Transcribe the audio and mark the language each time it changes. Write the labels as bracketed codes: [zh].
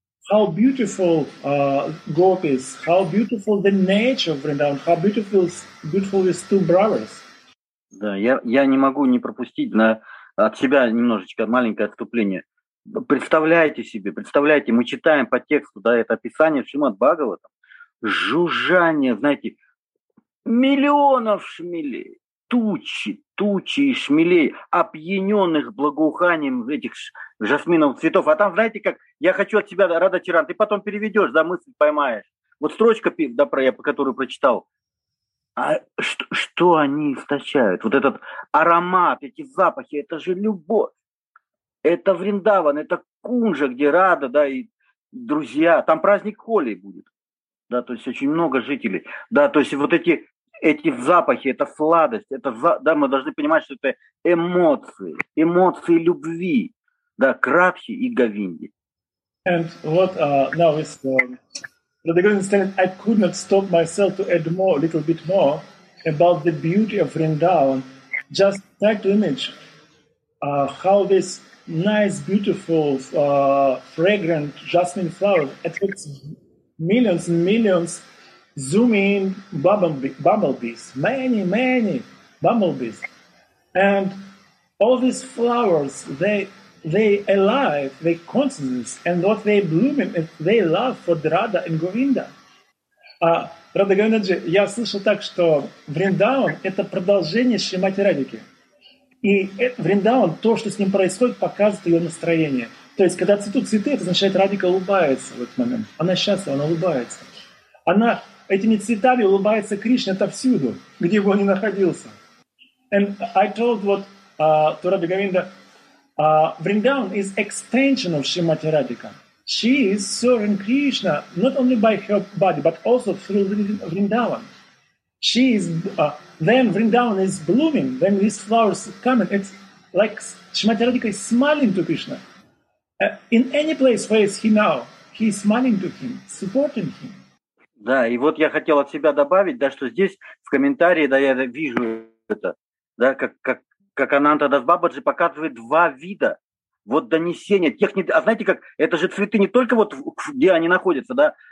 [en] How beautiful Gopis, how beautiful the nature of Vrindavan, how beautiful these two brothers. [ru] Да, я не могу не пропустить на, от себя немножечко маленькое отступление. Представляете себе, представляете, мы читаем по тексту, да, это описание Шримад Бхагаватам, жужжание, знаете, миллионов шмелей, тучи шмелей, опьяненных благоуханием этих жасминовых цветов. А там, знаете, как, я хочу от себя, Рада Чаран, ты потом переведешь, да, мысль поймаешь. Вот строчка, да, про, я, которую прочитал. А что они источают? Вот этот аромат, эти запахи, это же любовь. Это Вриндаван, это кунжа, где Рада, да, и друзья. Там праздник Холи будет. Да, то есть очень много жителей. Да, то есть вот эти запахи, это сладость, это, да, мы должны понимать, что это эмоции. Эмоции любви. Да, к Радхе и Говинде. [en] And what now is But the Govinda said, I could not stop myself to add more, a little bit more, about the beauty of Vrindavan. Just try to image how this nice, beautiful, fragrant jasmine flower attracts millions and millions zooming bumblebees, many, many bumblebees. And all these flowers, they alive, they consciousness, and what they bloom in, they love for Radha and Govinda. [ru] Radha Govindaji, я слышал так, что Вриндаван — это продолжение Шримати Радики. И Вриндаван, то, что с ним происходит, показывает ее настроение. То есть, когда цветут цветы, это означает, Радика улыбается в этот момент. Она счастлива, она улыбается. Она этими цветами улыбается Кришне отовсюду, где бы он ни находился. [en] And I told what to Radha Govinda, Vrindavan is extension of Srimati Radhika. She is serving Krishna not only by her body, but also through Vrindavan. She is then Vrindavan is blooming. When these flowers come, it's like Srimati Radhika is smiling to Krishna. In any place where is he now, he is smiling to him, supporting him. [ru] Да, и вот я хотел от себя добавить, да, что здесь в комментарии, да, я вижу это, да, как Ананта Дас Бабаджи показывает два вида вот донесения. А знаете, как это же цветы не только вот где они находятся, да?